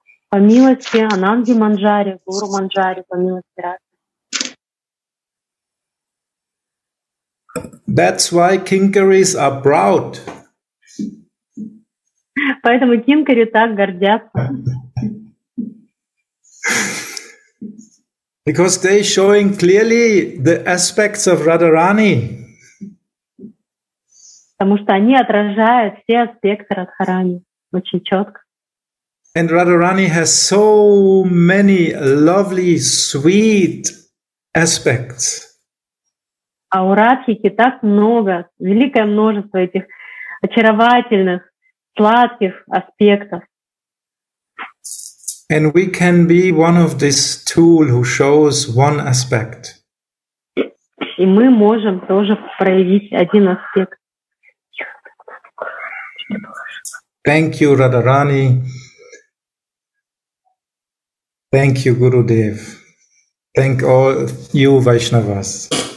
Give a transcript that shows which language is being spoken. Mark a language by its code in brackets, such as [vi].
[ru] По милости Ананги Манджари, Гуру Манджари, по милости Радхи. [en] That's why kinkaris are proud. [ru] Поэтому кинкари так гордятся. [en] Because they showing clearly the aspects of Radharani. [ru] Потому что они отражают все аспекты Радхарани очень четко. [en] And Radharani has so many lovely, sweet aspects. [ru] А у Радхики так много, великое множество этих очаровательных, сладких аспектов. [en] And we can be one of this tool who shows one aspect. [ru] И мы можем тоже проявить один аспект. [en] Thank you, Radharani. Thank you, Gurudev. Thank all you, Vaishnavas.